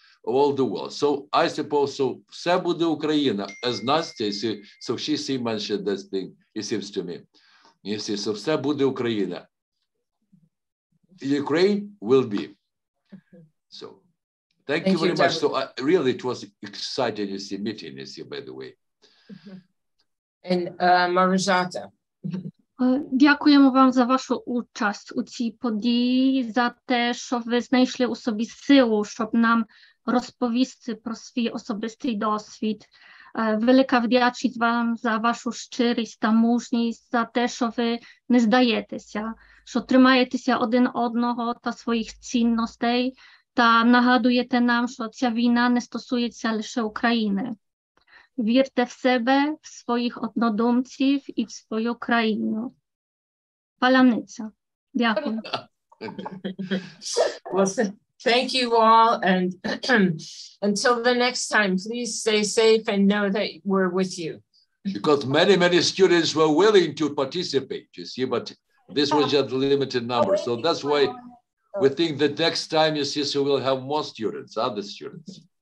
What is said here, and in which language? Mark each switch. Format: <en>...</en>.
<en>So I suppose so.</en> <uk>Все буде Україна,</uk> <en>as Настя, so she mentioned this thing, it seems to me. You see, so</en> <uk>все буде Україна.</uk> <en>Ukraine will be. So Thank you very much. So really, it was exciting to see meeting with you, by the way. And Maruzata.</en> <uk>Дякуємо вам за вашу участь у цій події, за те, що ви знайшли у собі силу, щоб нам розповісти про свій особистий досвід. Велика вдячність вам за вашу щирість та мужність, за те, що ви не здаєтеся, що тримаєтеся один одного та своїх цінностей, та нагадуєте нам, що ця війна не стосується лише України. Вірте в себе, в своїх однодумців і в свою країну. Паляниця. Дякую.</uk> <en>Thank you all, and until the next time, please stay safe and know that we're with you. Because many, many students were willing to participate, you see, but this was just a limited number. So that's why we think that next time, you see, so we'll have more students, other students.</en>